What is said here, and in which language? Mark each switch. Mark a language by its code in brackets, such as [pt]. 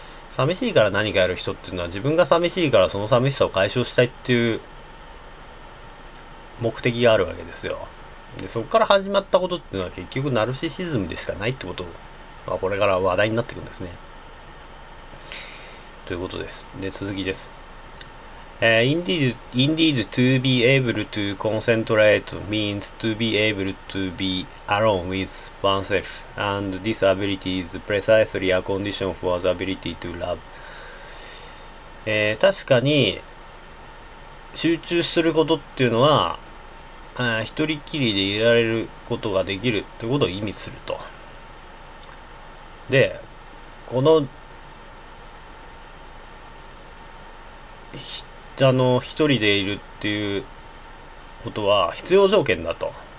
[ja] 寂しいから何かやる人っていうのは、自分が寂しいからその寂しさを解消したいっていう目的があるわけですよ。で、そこから始まったことっていうのは結局ナルシシズムでしかないってことを、これから話題になっていくんですね。ということです。で、続きです。 [en] Indeed to be able to concentrate means to be able to be alone with oneself, and this ability is precisely a condition for the ability to love。 [ja] 確かに集中することっていうのは、一人きりでいられることができるということを意味すると。で、この一人でいるっていうことは必要条件だと。